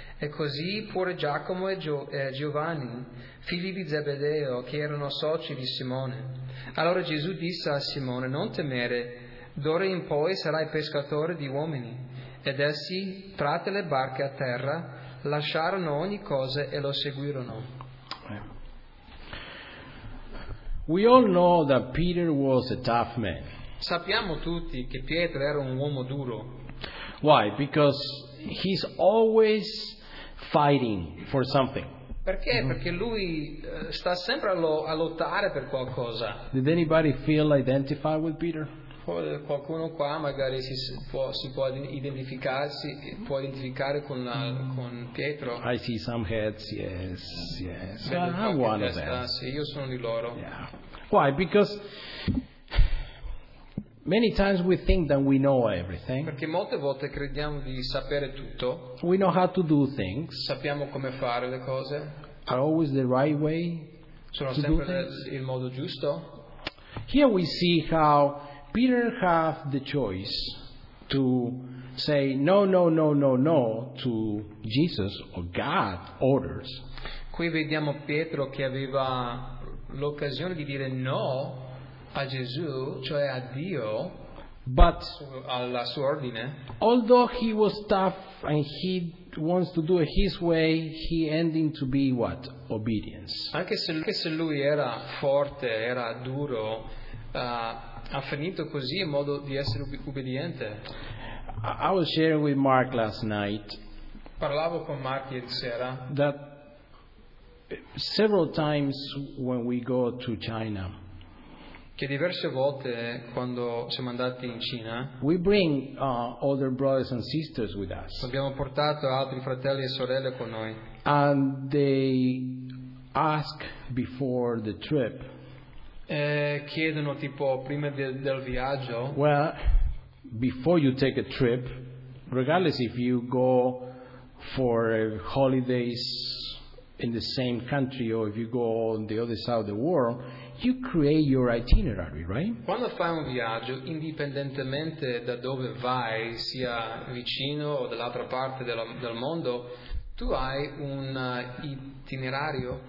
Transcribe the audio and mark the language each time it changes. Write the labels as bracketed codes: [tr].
[it] E così pure Giacomo e Giovanni, figli di Zebedeo, che erano soci di Simone. Allora Gesù disse a Simone: non temere, d'ora in poi sarai pescatore di uomini. Ed essi, tratte le barche a terra, lasciarono ogni cosa e lo seguirono. [en] We all know that Peter was a tough man. [it] Sappiamo tutti che Pietro era un uomo duro. [en] Why? Because he's always fighting for something. [it] Perché? Mm-hmm. Perché lui sta sempre a lottare per qualcosa. [en] Did anybody feel identified with Peter? [it] Qualcuno qua magari si può identificare con Pietro. [en] I see some heads, yes. I'm one of them. [it] Sì, io sono di loro. [en] Yeah. Why? Because many times we think that we know everything. [it] Perché molte volte crediamo di sapere tutto. [en] We know how to do things. [it] Sappiamo come fare le cose. [en] Are always the right way. [it] Sono sempre il modo giusto. [en] Here we see how Peter had the choice to say no to Jesus or God's orders. [it] Qui vediamo Pietro che aveva l'occasione di dire no a Gesù, cioè a Dio, [en] but [it] alla sua ordine. [en] Although he was tough and he wants to do it his way, he ending to be what? Obedience. [it] Anche se lui era forte, era duro, ha finito così in modo di essere ubbidiente. [en] I was sharing with Mark last night. [it] Parlavo con Mark ieri sera. [en] That several times when we go to China. [it] Che diverse volte quando siamo andati in Cina. [en] We bring other brothers and sisters with us. [it] Abbiamo portato altri fratelli e sorelle con noi. [en] And they ask before the trip. [it] Chiedono tipo prima del viaggio. [en] Well, before you take a trip, regardless if you go for holidays in the same country or if you go on the other side of the world, you create your itinerary, right? [it] Quando fai un viaggio, indipendentemente da dove vai, sia vicino o dall'altra parte del mondo, tu hai un itinerario.